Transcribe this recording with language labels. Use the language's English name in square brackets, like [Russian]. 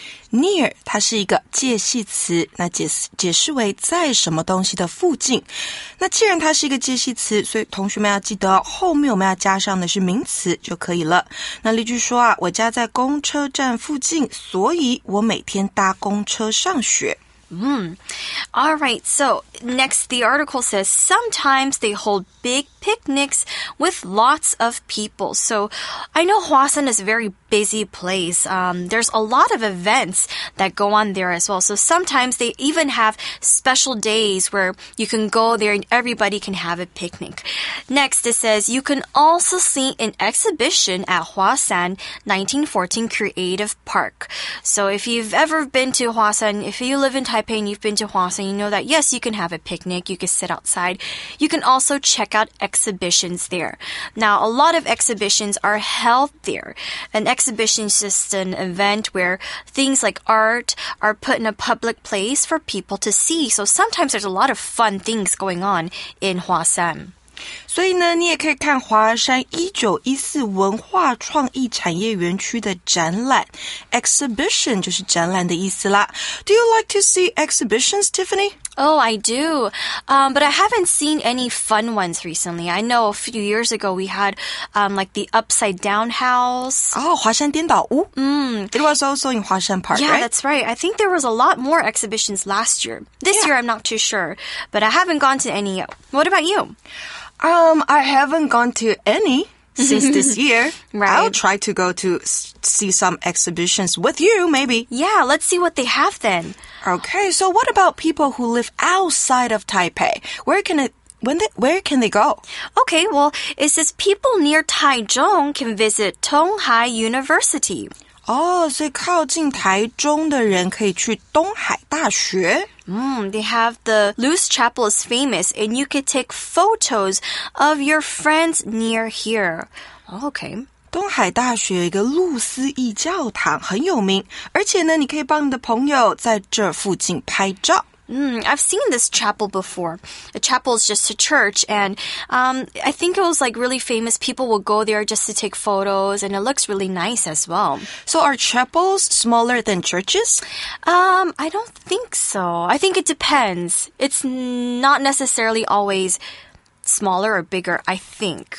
[Chinese] Near, 它是一个介系词，那解释为在什么东西的附近。那既然它是一个介系词，所以同学们要记得，后面我们要加上的是名词就可以了。那例句说啊，我家在公车站附近，所以我每天搭公车上学。 [English] All right, so next the article says sometimes they hold big picnics with lots of people. So I know Huasan is a very busy place. There's a lot of events that go on there as well. So sometimes they even have special days where you can go there and everybody can have a picnic. Next it says you can also see an exhibition at Huasan 1914 Creative Park. So if you've ever been to Huasan, if you live in Taipei and you've been to Huasan, you know that yes, you can have a picnic, you can sit outside. You can also check out exhibitions there. Now, a lot of exhibitions are held there. An exhibition is just an event where things like art are put in a public place for people to see. So sometimes there's a lot of fun things going on in Huasan. [Chinese] 所以呢，你也可以看华山1914文化创意产业园区的展览。 [English] Exhibition [Chinese] 就是展览的意思啦。 [English] Do you like to see exhibitions, Tiffany? Oh, I do. But I haven't seen any fun ones recently. I know a few years ago we had like the upside down house. Oh, 华山颠倒屋.It was also in 华山 Park, yeah, right? Yeah, that's right. I think there was a lot more exhibitions last year. This year, I'm not too sure. But I haven't gone to any yet. What about you? I haven't gone to any since this year. Right. I'll try to go to see some exhibitions with you, maybe. Yeah, let's see what they have then. Okay, so what about people who live outside of Taipei? Where can they go? Okay, well, it says people near Taichung can visit Donghai University. [Chinese] Oh, 所以靠近台中的人可以去东海大学。 [English] They have the Loose Chapel is famous, and you could take photos of your friends near here. Okay. [Chinese] 东海大学有一个路思义教堂很有名，而且呢，你可以帮你的朋友在这附近拍照。 [English] I've seen this chapel before. A chapel is just a church, and I think it was like really famous. People would go there just to take photos, and it looks really nice as well. So are chapels smaller than churches? I don't think so. I think it depends. It's not necessarily always smaller or bigger, I think.